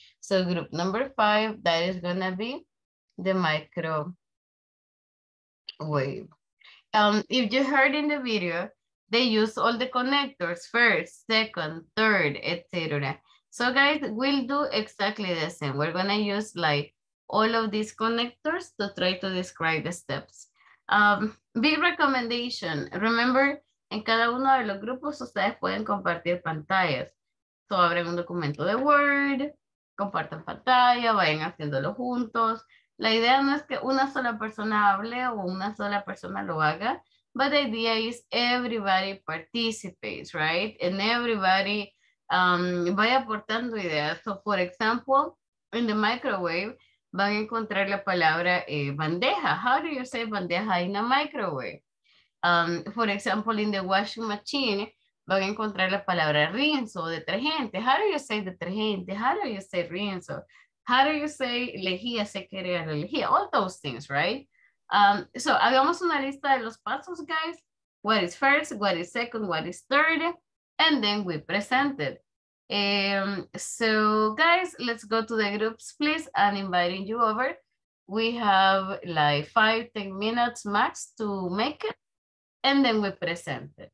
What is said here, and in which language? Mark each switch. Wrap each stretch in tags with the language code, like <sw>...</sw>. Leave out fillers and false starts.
<en>So group number five, that is gonna be the microwave. If you heard in the video, they use all the connectors, first, second, third, etc. So guys, we'll do exactly the same. We're gonna use like all of these connectors to try to describe the steps. Big recommendation, remember,</en> <es>en cada uno de los grupos ustedes pueden compartir pantallas. So, abren un documento de Word, compartan pantalla, vayan haciéndolo juntos. La idea no es que una sola persona hable o una sola persona lo haga,</es> <en>but the idea is everybody participates, right? And everybody</en> <es>vaya aportando ideas.</es> <en>So, for example, in the microwave,</en> <es>van a encontrar la palabra bandeja.</es> <en>How do you say bandeja in a microwave? For example, in the washing machine,</en> <es>van a encontrar la palabra rinso, detergente.</es> <en>How do you say detergente? How do you say rinso? How do you say lejía, sequería, lejía? All those things, right?</en> <es>So, hagamos una lista de los pasos, guys.</es> <en>What is first, what is second, what is third, and then we present it. So, guys, let's go to the groups, please. I'm inviting you over. We have like 5-10 minutes max to make it, and then we present it.</en>